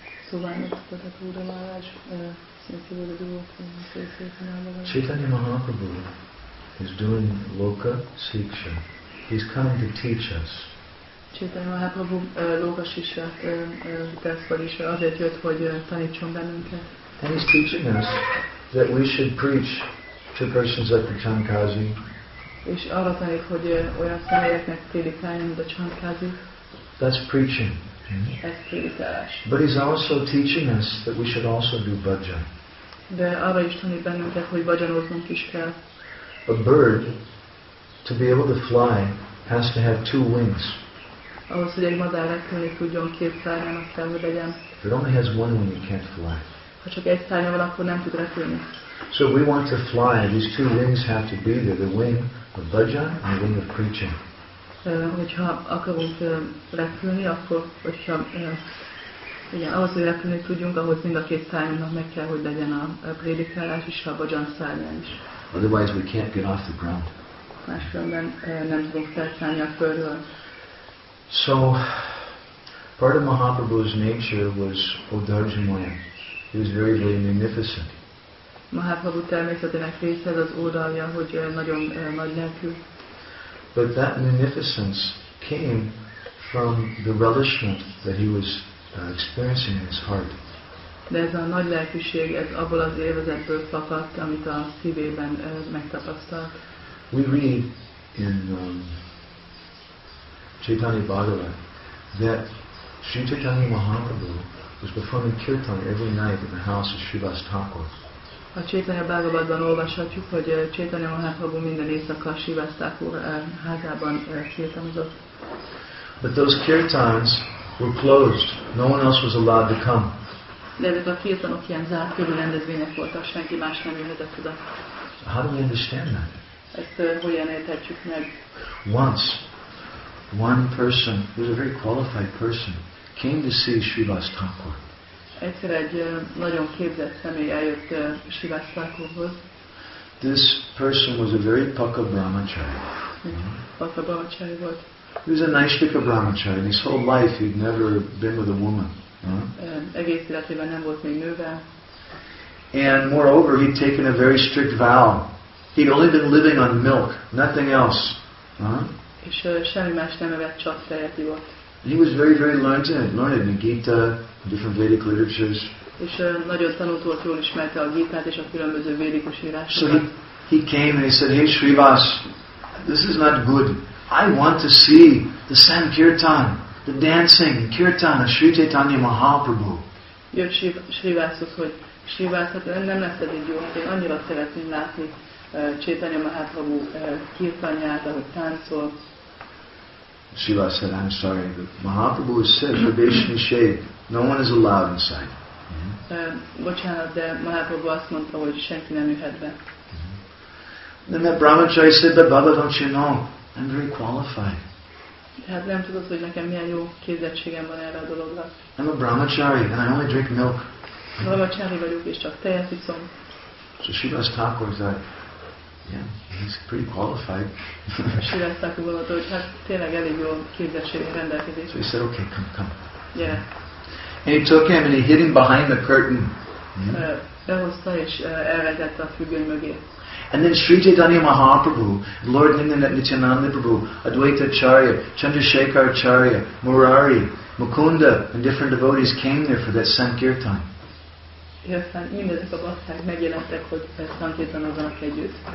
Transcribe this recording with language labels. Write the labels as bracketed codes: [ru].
[hu] Szóval Pratapa Rudra Maharaj szinte volt, hogy szinte [en] Chaitanya Mahaprabhu is doing loka siksha. He's come to teach us. [hu] Chaitanya Mahaprabhu loka siksha teszvar is azért jött, hogy tanítson bennünket. [en] And he's teaching us that we should preach to persons at the Chankazi. [hu] És arra tanít, hogy olyan személyeknek prédikálni, mint a Chankazi. [en] That's preaching. [hu] Ez prédikálás. [en] But he's also teaching us that we should also do bhajan. [hu] De arra is tanít bennünket, hogy bhajanoznunk is kell. [en] A bird, to be able to fly, has to have two wings. [hu] Ahhoz, hogy egy madár repülni tudjon, két szárnyának kell, hogy legyen. [en] If it only has one wing, it can't fly. [hu] Ha csak egy szárnya van, akkor nem tud repülni. [en] So we want to fly, these two wings have to be there, the wing of bhajan and the wing of preaching. [hu] Hogyha akarunk repülni, akkor, hogyha, igen, ahhoz, hogy repülni tudjunk, ahhoz mind a két szárnyának meg kell, hogy legyen a prédikálás és a bhajan szárnya is. [en] Otherwise we can't get off the ground. [hu] Máskülönben nem tudunk felszállni a földről. [en] So, part of Mahaprabhu's nature was Odarjanoya. He was very, very magnificent. [hu] Mahaprabhu természetének része az ódalja, hogy nagyon nagy lelkű. [en] But that magnificence came from the relishment that he was experiencing in his heart. [hu] De ez a nagy lelkűség, ez abból az élvezetből fakadt, amit a szívében megtapasztalt. [en] We read in Chaitanya Bhagavat that Sri Chaitanya Mahaprabhu was performing kirtan every night in the house of Srivas Thakur. [hu] A Chaitanya Bhagavatban olvashatjuk, hogy Chaitanya Mahaprabhu minden éjszaka Srivas Thakur házában kirtanozott. [en] But those kirtans were closed. No one else was allowed to come. [hu] De ezek a kirtanok ilyen zárt körű rendezvények voltak, senki más nem jöhetett oda. [en] How do we understand that? [hu] Ezt hogyan érthetjük meg? [en] Once, one person, who was a very qualified person, came to see Srivas Thakur. [hu] Egyszer egy nagyon képzett személy eljött Srivas Thakurhoz. [en] This person was a very paka brahmachari. [hu] Paka brahmachari volt. [en] He was a naishtika brahmachari, and his whole life he'd never been with a woman. [hu] Egész életében nem volt még nővel. [en] And moreover, he'd taken a very strict vow. He'd only been living on milk, nothing else. [hu] És semmi más nem evett, csak tejet ivott. [en] He was very, very learned in Gita, different Vedic literatures. [hu] És nagyon tanult volt, jól ismerte a Gítát és a különböző védikus írásokat. [en] So he came and he said, "Hey, Srivas, this is not good. I want to see the Sankirtan, the dancing, Kirtan of Sri Chaitanya Mahaprabhu." [hu] Jött Srivashoz, hogy Srivas, hát nem lesz ez így jó, hogy annyira szeretném látni Chaitanya Mahaprabhu kirtanját, ahogy táncol. [en] Shiva said, "I'm sorry, but Mahaprabhu has said, 'Pradeshini shade, no one is allowed inside.'" [hu] Bocsánat, de Mahaprabhu azt mondta, hogy senki nem jöhet be. [en] Then that brahmachari said, "But Baba, don't you know? I'm very qualified." [hu] De hát nem tudod, hogy nekem milyen jó képzettségem van erre a dologra. [en] "I'm a brahmachari and I only drink milk." [hu] Brahmachari vagyok és csak tejet iszom. [en] So Shiva's talk was that, "Yeah, he's pretty qualified." [hu] Srivas Thakur mondta, hogy hát tényleg elég jó képzettségű rendelkezés. [en] So he said, "Okay, come. Yeah. And he took him and he hid him behind the curtain. [hu] Behozta és elvezette a függöny mögé. [en] And then Sri Chaitanya Mahaprabhu, Lord Nityananda Prabhu, Advaita Acharya, Chandrasekhar Acharya, Murari, Mukunda and different devotees came there for that Sankirtan. [hu] És aztán mindezek a bhakták megjelentek, hogy szankirtanozzanak együtt.